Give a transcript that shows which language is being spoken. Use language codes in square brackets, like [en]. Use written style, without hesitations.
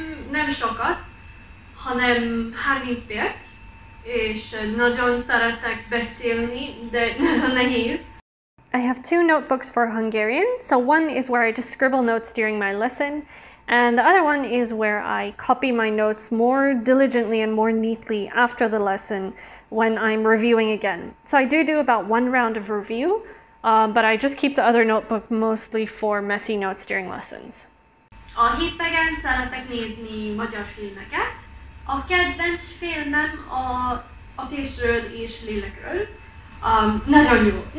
[hu] Nem sokat, hanem 30 perc, és nagyon szeretek beszélni, de nagyon nehéz. [en] I have two notebooks for Hungarian. So one is where I just scribble notes during my lesson, and the other one is where I copy my notes more diligently and more neatly after the lesson when I'm reviewing again. So I do about one round of review. But I just keep the other notebook mostly for messy notes during lessons. [hu] A hétvégén szeretek nézni magyar filmeket. A kedvenc filmem a testről és lélekről. Nagyon jó.